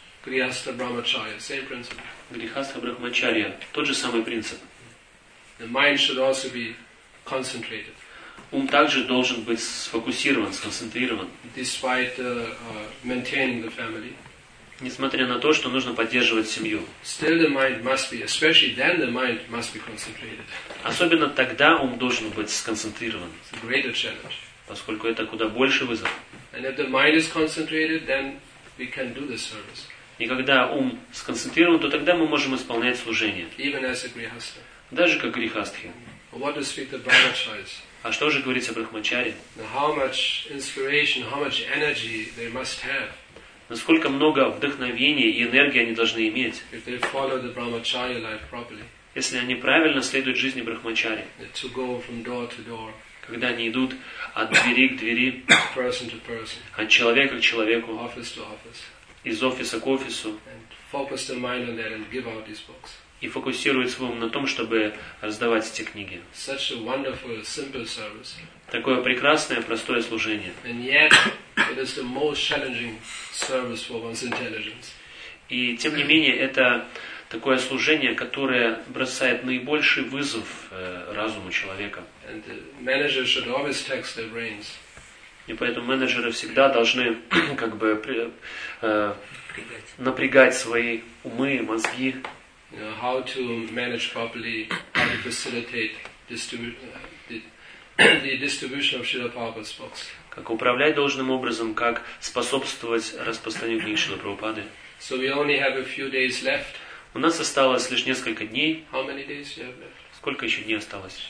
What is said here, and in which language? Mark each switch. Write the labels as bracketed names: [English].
[Russian] Грихастха брахмачарья, [English] same principle. [Russian] Грихастха брахмачарья, тот же самый принцип. [English] The mind should also be concentrated. [Russian] Ум также должен быть сфокусирован, сконцентрирован. [English] Despite maintaining the family. [Russian] Несмотря на то, что нужно поддерживать семью. [English] Still the mind must be, especially then the mind must be concentrated. [Russian] Особенно тогда ум должен быть сконцентрирован. [English] It's a greater challenge. [Russian] Поскольку это куда больше вызов. [English] And if the mind is concentrated, then we can do the service. [Russian] И когда ум сконцентрирован, то тогда мы можем исполнять служение. [English] Even as a grihastha. [Russian] Даже как грихастхи. [English] What does speak the brahmacharis? [Russian] А что же говорить о брахмачаре? [English] How much inspiration, how much energy they must have. [Russian] насколько много вдохновения и энергии они должны иметь. [English] If they follow the brahmacharya life properly, [Russian] если они правильно следуют жизни брахмачари, [English] to go from door to door, [Russian] когда они идут от двери к двери, [English] person to person, [Russian] от человека к человеку, [English] office to office, [Russian] из офиса к офису, [English] and focus their mind on that and give out these books. [Russian] И фокусировать свой ум на том, чтобы раздавать эти книги. [English] Such a wonderful, simple service. [Russian] Такое прекрасное, простое служение. [English] And yet, it is the most challenging service for one's intelligence. [Russian] И тем не менее, это такое служение, которое бросает наибольший вызов разуму человека. [English] And the manager should always tax their brains. [Russian] И поэтому менеджеры всегда должны как бы напрягать свои умы, мозги. [English] You know, how to manage properly, how to facilitate the distribution of Srila Prabhupada's books. [Russian] Как управлять должным образом, как способствовать распространению книг Шрилы Прабхупады. [English] So we only have a few days left. [Russian] У нас осталось лишь несколько дней. [English] How many days you have left? [Russian] Сколько еще дней осталось?